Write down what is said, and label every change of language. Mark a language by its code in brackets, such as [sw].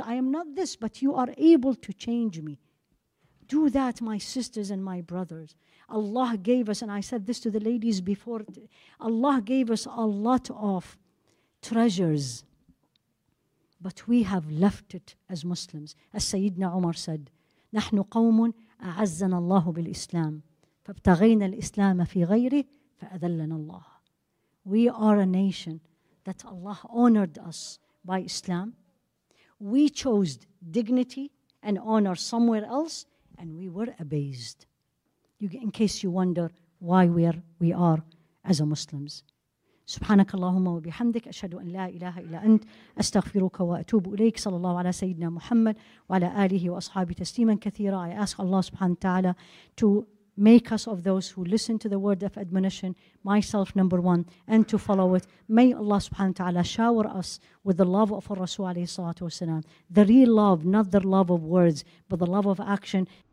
[en] I am not this, but you are able to change me. Do that, my sisters and my brothers. Allah gave us, and I said this to the ladies before, Allah gave us a lot of treasures, but we have left it as Muslims. As Sayyidina Umar said, [ar] نَحْنُ قَوْمٌ أَعَزَّنَ اللَّهُ بِالْإِسْلَامِ فَابْتَغَيْنَا الْإِسْلَامَ فِي غَيْرِهِ فَأَذَلَّنَا اللَّهُ. [en] We are a nation that Allah honored us by Islam. We chose dignity and honor somewhere else, and we were abased. In case you wonder why we are as a Muslims. [ar] سبحانك اللهم وبحمدك أشهد أن لا إله إلا أنت أستغفرك وأتوب إليك صلى الله على سيدنا محمد وعلى آله وأصحابه تسليما كثيرا. [en] I ask Allah سبحانه وتعالى to make us of those who listen to the word of admonition, myself number one, and to follow it. May Allah سبحانه وتعالى shower us with the love of our Rasul عليه الصلاة والسلام, the real love, not the love of words, but the love of action.